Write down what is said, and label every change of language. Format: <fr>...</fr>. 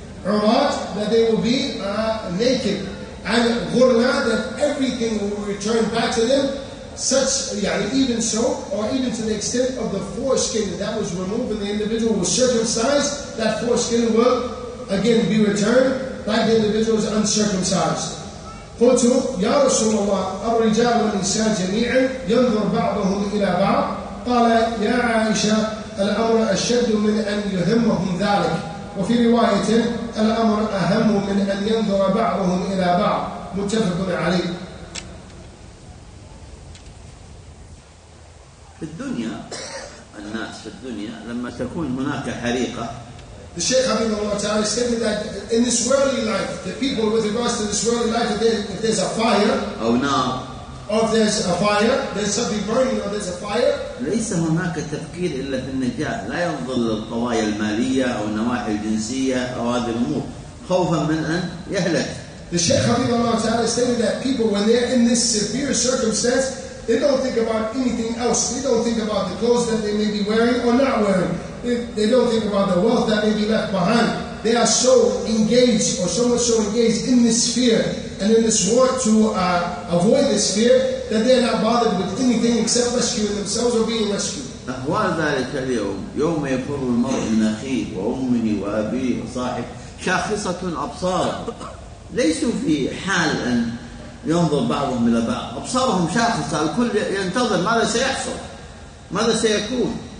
<en>Urat, that they will be naked. And ghurna, that everything will return back to them, such, يعني even so, or even to the extent of the foreskin that was removed and the individual was circumcised, that foreskin will again be returned by the individuals uncircumcised.</en> <ar>قلتُ يا رسول الله الرجال والنساء جميعا ينظر بعضهم إلى بعض. قال يا عائشة الأمر أشد من أن يهمهم ذلك. وفي رواية الأمر أهم من أن ينظر بعضهم إلى بعض. متفق عليه. في الدنيا الناس في الدنيا لما تكون هناك حريقة,</ar> <en>the Shaykh Habib Allah Ta'ala stated that in this worldly life, the people with regards to this worldly life, if there's a fire, oh no, or if there's a fire, there's something burning, or there's a fire,</en> <ar>ليس هناك تفكير إلا في النجاة, لا ينظر للقضايا المالية أو النواحي الجنسية أو هذه الأمور, خوفا من أن يهلك.</ar> <en>The Shaykh Habib Allah Ta'ala stated that people, when they're in this severe circumstance, they don't think about anything else. They don't think about the clothes that they may be wearing or not wearing. They don't think about the wealth that may be left behind. They are so engaged, or so much so engaged in this fear and in this war to avoid this fear, that they are not bothered with anything except rescuing themselves or being rescued.</en> <ar>أهوال ذلك اليوم يوم يفر المرء من أخيه وأمه وأبيه وصاحبه شاخصة أبصار, ليسوا في حال أن ينظر بعضهم إلى بعض, أبصارهم شاخصة, الكل ينتظر ماذا سيحصل, ماذا سيكون.</ar>